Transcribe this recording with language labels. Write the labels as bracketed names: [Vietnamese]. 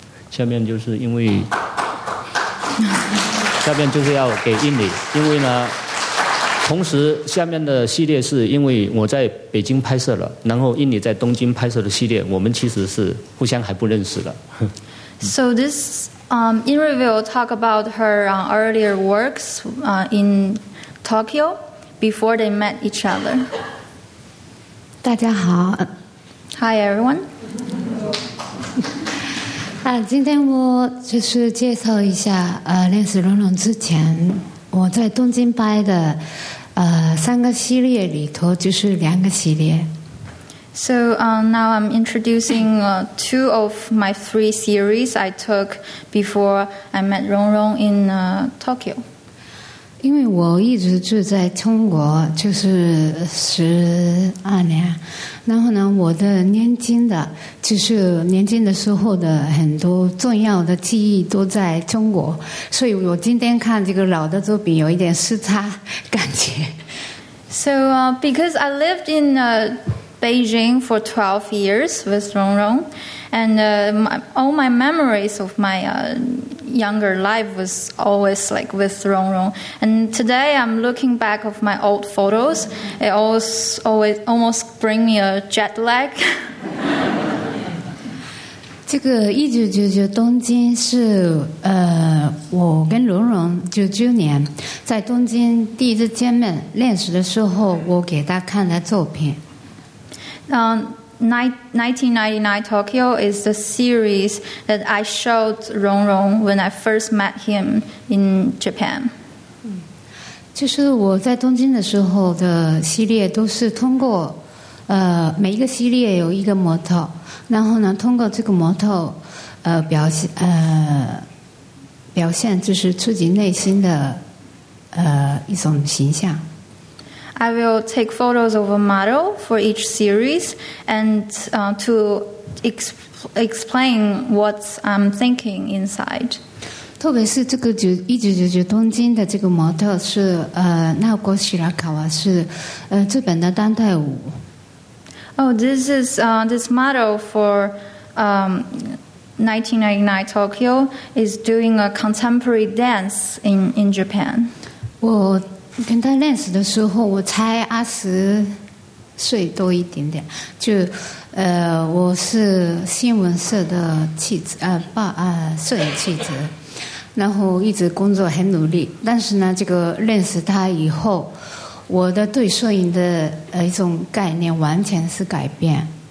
[Chinese] 下面就是因为，下面就是要给印尼，因为呢。同时下面的系列是因为我在北京拍摄了，然后印尼在东京拍摄的系列，我们其实是互相还不认识的。 [English] So this Inri will talk about her earlier works in Tokyo before they met each other. [Chinese] 大家好。 [English] Hi everyone. [Chinese] 今天我就是介绍一下认识龙龙之前我在东京拍的三个系列里头就是两个系列。 [English] So now I'm introducing two of my three series I took before I met Rong Rong in Tokyo. [Chinese] 因为我一直住在中国，就是12年，然后呢，我的年轻的，就是年轻的时候的很多重要的记忆都在中国，所以我今天看这个老的作品有一点时差感觉。 [English] So because I lived in Beijing for 12 years with Rong Rong, and all my memories of my younger life was always like with Rong Rong. And today I'm looking back of my old photos. It always almost bring me a jet lag. [Chinese] 这个1999东京是我跟蓉蓉99年在东京第一次见面认识的时候我给她看的作品。 [English] 1999 Tokyo is the series that I showed Rong Rong when I first met him in Japan. [Chinese] 就是我在东京的时候的系列都是通过每一个系列有一个模特，然后呢通过这个模特表现就是自己内心的一种形象。 [English] I will take photos of a model for each series and to explain what I'm thinking inside. [Chinese] 特别是这个1999东京的这个模特是奈国西拉卡瓦，是日本的当代舞。 [English] Oh, this is this model for 1999 Tokyo is doing a contemporary dance in Japan. [Chinese] 我跟他认识的时候，我才20岁多一点点，就我是新闻社的记者，摄影记者，然后一直工作很努力。但是呢，这个认识他以后，我的对摄影的一种概念完全是改变。